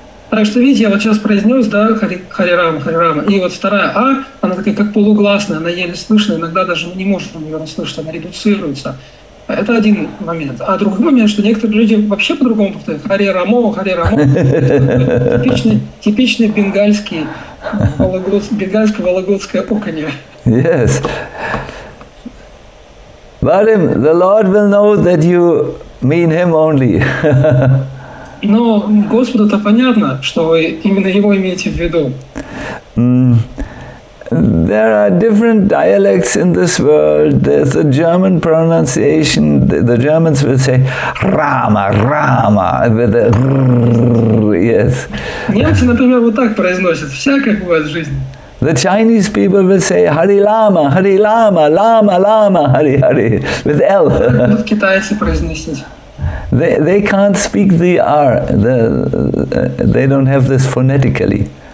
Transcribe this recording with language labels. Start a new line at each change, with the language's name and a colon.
Russian: Так что, видите, я вот сейчас произнес, да, Харирама, Харирама. И вот вторая А, она такая как полугласная, она еле слышна, иногда даже не может ее расслышать, она редуцируется. Это один момент. А другой момент, что некоторые люди вообще по-другому повторяют. Харирамо, Харирамо. Типичный бенгальский, бенгальское вологодское оконье.
English: Yes. Vadim, the Lord will know that you mean him only.
Russian: Но Господу-то понятно, что вы именно Его имеете в виду.
English: There are different dialects in this world. There's a German pronunciation. The Germans would say Rama, Rama, with a rrr, yes.
Russian: Немцы, например, вот так произносят. Всякое бывает в жизни.
English: The Chinese people will say Hari Lama, Hari Lama, Lama, Lama, Hari Hari, with L.
Russian: Будут китайцы произносить.
English: They can't speak the R. They don't have this phonetically.